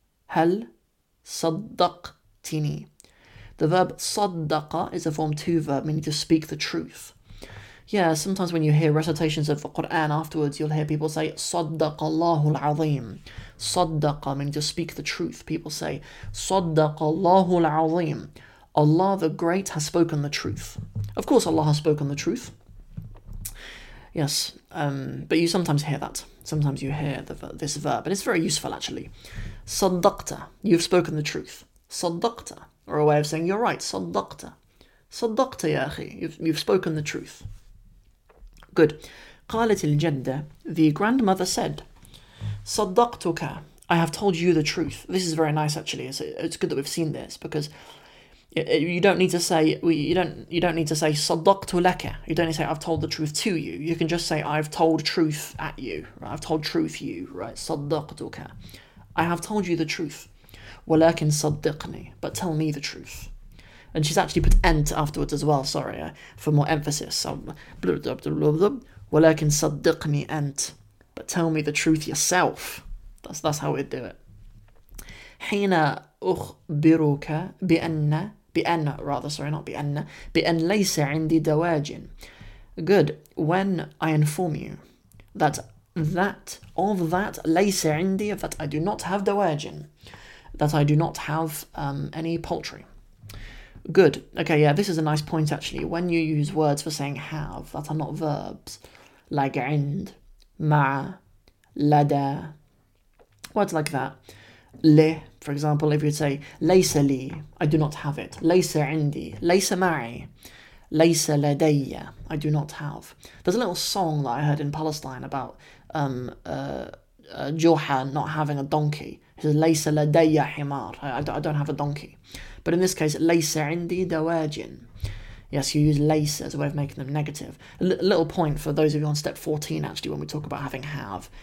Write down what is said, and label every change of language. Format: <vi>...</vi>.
<ar>هل صدقتني.</ar> <en>The verb صدق is a form 2 verb meaning to speak the truth. Yeah, sometimes when you hear recitations of the Quran afterwards, you'll hear people say</en> <ar>صدق الله العظيم.</ar> <en>صدق meaning to speak the truth. People say</en> <ar>صدق الله العظيم.</ar> <en>Allah the Great has spoken the truth. Of course Allah has spoken the truth. Yes, but you sometimes hear that. Sometimes you hear this verb, and it's very useful, actually. صدقت, you've spoken the truth. صدقت, or a way of saying, you're right, صدقت.</en> <ar>صدقت يا أخي,</ar> <en>you've spoken the truth. Good.</en> <ar>قالت الجدة,</ar> <en>the grandmother said, صدقتك, I have told you the truth. This is very nice, actually. It's good that we've seen this, because you don't need to say</en> <ar>صدقت لك.</ar> <en>You don't need to say I've told the truth to you. You can just say I've told truth at you. Right? I've told truth you, right?</en> <ar>صدقتك.</ar> <en>I have told you the truth.</en> <ar>ولكن صدقني.</ar> <en>But tell me the truth. And she's actually put ent afterwards as well, sorry, for more emphasis.</en> <ar>ولكن صدقني ent.</ar> <en>But tell me the truth yourself. That's how we do it.</en> <ar>حين أخبرك بأن ليس عندي دواجن.</ar> <en>Good. When I inform you that of that</en> <ar>ليس عندي,</ar> <en>of that I do not have دواجن. that I do not have any poultry. Good. Okay, yeah, this is a nice point, actually. When you use words for saying have that are not verbs, like عند, مع, لدى, words like that. لي, for example, if you'd say</en> <ar>ليس لي,</ar> <en>I do not have it.</en> <ar>ليس عندي, ليس معي, ليس لدي,</ar> <en>I do not have. There's a little song that I heard in Palestine about Johan not having a donkey. He says</en> <ar>ليس لدي حمار,</ar> <en>I don't have a donkey. But in this case,</en> <ar>ليس عندي دواجن.</ar> <en>Yes, you use ليس as a way of making them negative. A little point for those of you on step 14, actually, when we talk about having have.</en>